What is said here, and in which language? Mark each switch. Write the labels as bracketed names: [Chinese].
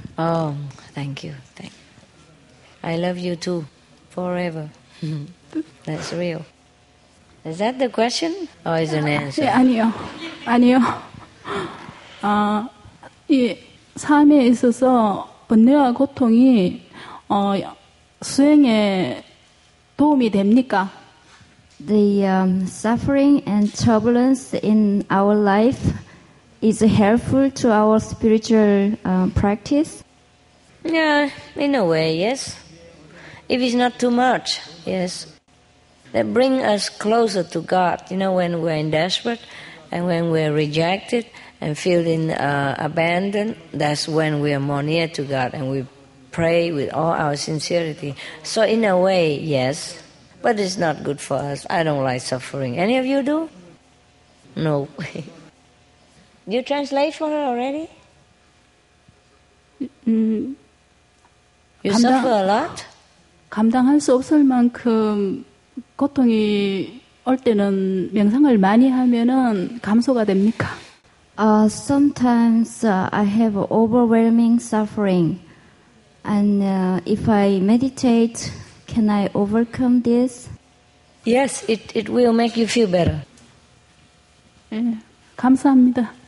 [English] Oh, thank you. I love you too, forever. That's real. Is that the question? Or is it an answer? [Korean] 예, 아니요. 이 삶에 있어서 번뇌와 고통이 수행에 도움이 됩니까? [English] The suffering and turbulence in our life is helpful to our spiritual practice? Yeah, in a way, yes. If it's not too much, yes. They bring us closer to God. You know, when we're in desperate and when we're rejected, and feeling abandoned, that's when we are more near to God and we pray with all our sincerity. So in a way, yes, but it's not good for us. I don't like suffering. Any of you do? No. You translate for her already? You suffer a lot? [Korean] 감당할 수 없을 만큼 고통이 올 때는 명상을 많이 하면은 감소가 됩니까? [English] Sometimes I have overwhelming suffering, and if I meditate, can I overcome this? Yes, it will make you feel better. [Korean] 예, 감사합니다.